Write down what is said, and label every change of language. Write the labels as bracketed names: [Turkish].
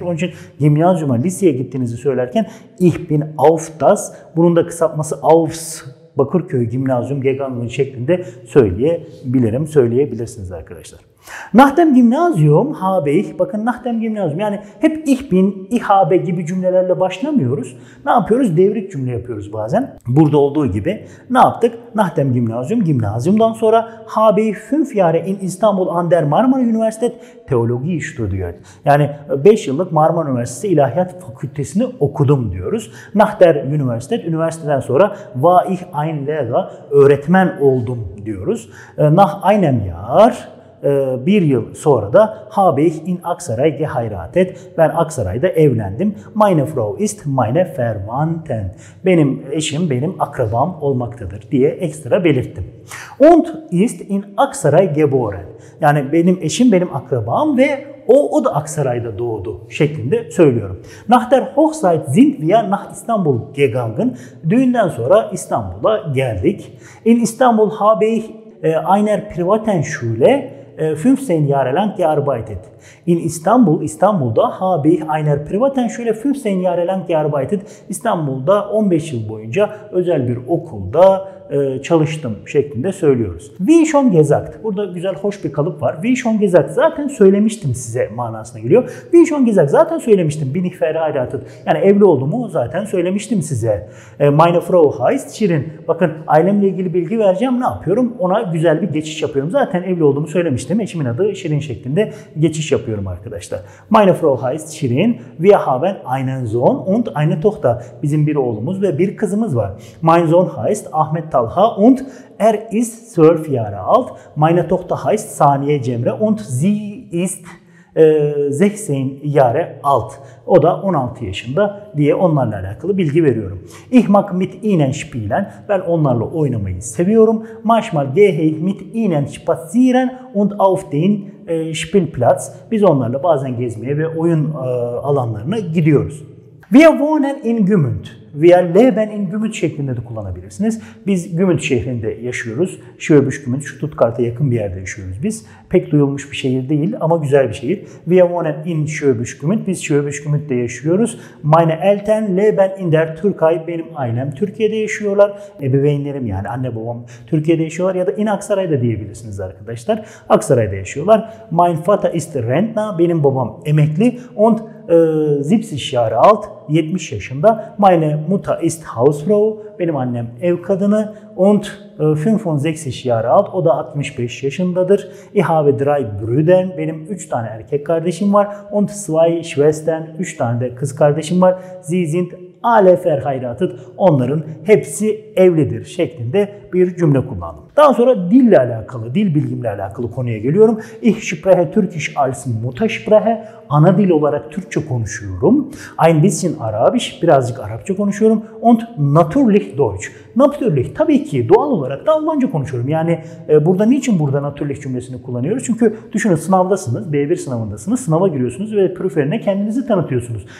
[Turkish] Onun için gimnazyuma, liseye gittiğinizi söylerken [German] ich bin auf das, [Turkish] bunun da kısaltması [German] aufs Bakırköy Gimnazyum Gegangen [Turkish] şeklinde söyleyebilirim, söyleyebilirsiniz arkadaşlar. [German] Nach dem Gymnasium habe ich, [Turkish] bakın [German] nach dem Gymnasium, [Turkish] yani hep [German] ich bin, ich habe [Turkish] gibi cümlelerle başlamıyoruz. Ne yapıyoruz? Devrik cümle yapıyoruz bazen. Burada olduğu gibi ne yaptık? [German] Nach dem Gymnasium, [Turkish] gymnasiumdan sonra [German] habe ich 5 Jahre in Istanbul an der Marmara Üniversität Theologie studiert. [Turkish] Yani 5 yıllık Marmara Üniversitesi İlahiyat Fakültesini okudum diyoruz. [German] Nach der Universität, [Turkish] üniversiteden sonra [German] war ich ein Lehrer, [Turkish] öğretmen oldum diyoruz. [German] Nach einem Jahr, [Turkish] bir yıl sonra da [German] habe ich in Aksaray geheiratet, [Turkish] ben Aksaray'da evlendim. [German] Meine Frau ist meine Verwandten, [Turkish] benim eşim benim akrabam olmaktadır diye ekstra belirttim. [German] Und ist in Aksaray geboren, [Turkish] yani benim eşim benim akrabam ve o da Aksaray'da doğdu şeklinde söylüyorum. [German] Nach der Hochzeit sind wir nach Istanbul gegangen, [Turkish] düğünden sonra İstanbul'a geldik. [German] In Istanbul habe ich einer privaten Schule [Turkish] 5 sene [German] yarelang gearbeitet. In Istanbul, [Turkish] İstanbul'da [German] habe ich einer privaten Schule [Turkish] 5 sene [German] yarelang gearbeitet. [Turkish] İstanbul'da 15 yıl boyunca özel bir okulda çalıştım şeklinde söylüyoruz. [German] Wie schon gesagt. [Turkish] Burada güzel, hoş bir kalıp var. Wie schon gesagt. Zaten söylemiştim size manasına geliyor. [German] Wie schon gesagt. [Turkish] Zaten söylemiştim. [German] Bin ich verheiratet. [Turkish] Yani evli olduğumu zaten söylemiştim size. [German] Meine Frau heißt Şirin. [Turkish] Bakın ailemle ilgili bilgi vereceğim. Ne yapıyorum? Ona güzel bir geçiş yapıyorum. Zaten evli olduğumu söylemiştim. Eşimin adı Şirin şeklinde geçiş yapıyorum arkadaşlar. [German] Meine Frau heißt Şirin. Wir haben einen Sohn und eine Tochter. [Turkish] Bizim bir oğlumuz ve bir kızımız var. [German] Mein Sohn heißt Ahmet Talha und er ist 12 Jahre alt. Meine Tochter heißt Saniye Cemre und sie ist 16 Jahre alt. [Turkish] O da 16 yaşında diye onlarla alakalı bilgi veriyorum. [German] Ich mag mit ihnen spielen. [Turkish] Ben onlarla oynamayı seviyorum. [German] Manchmal gehe ich mit ihnen spazieren und auf den Spielplatz. [Turkish] Biz onlarla bazen gezmeye ve oyun alanlarına gidiyoruz. [German] Wir wohnen in Gümünd. Wir leben in Gümünd [Turkish] şeklinde de kullanabilirsiniz. Biz Gümünd şehrinde yaşıyoruz. Şöbüş Gümünd, Stuttgart'a yakın bir yerde yaşıyoruz biz. Pek duyulmuş bir şehir değil ama güzel bir şehir. [German] Wir wohnen in Şöbüş Gümünd. [Turkish] Biz Şöbüş Gümünd'de yaşıyoruz. [German] Meine Eltern leben in der Türkei. [Turkish] Benim ailem Türkiye'de yaşıyorlar. Ebeveynlerim, yani anne babam Türkiye'de yaşıyorlar. Ya da in Aksaray'da diyebilirsiniz arkadaşlar. Aksaray'da yaşıyorlar. [German] Mein Vater ist Rentner. [Turkish] Benim babam emekli. [German] Und 70 Jahre alt, [Turkish] 70 yaşında. [German] Meine Mutter ist Hausfrau, [Turkish] benim annem ev kadını. [German] Und 65 Jahre alt, [Turkish] o da 65 yaşındadır. [German] Ich habe drei Brüder, [Turkish] benim 3 tane erkek kardeşim var. [German] Und zwei Schwestern, [Turkish] 3 tane de kız kardeşim var. [German] Sie sind alle verheiratet, [Turkish] onların hepsi evlidir şeklinde bir cümle kullandım. Daha sonra dille alakalı, dil bilgimle alakalı konuya geliyorum. [German] Ich spreche Türkisch als Muttersprache. [Turkish] Ana dil olarak Türkçe konuşuyorum. [German] Ein bisschen Arabisch, [Turkish] birazcık Arapça konuşuyorum. [German] Und natürlich Deutsch. Natürlich, [Turkish] tabii ki doğal olarak da Almanca konuşuyorum. Yani burada niçin burada natürlich cümlesini kullanıyoruz? Çünkü düşünün, sınavdasınız, B1 sınavındasınız, sınava giriyorsunuz ve proferine kendinizi tanıtıyorsunuz.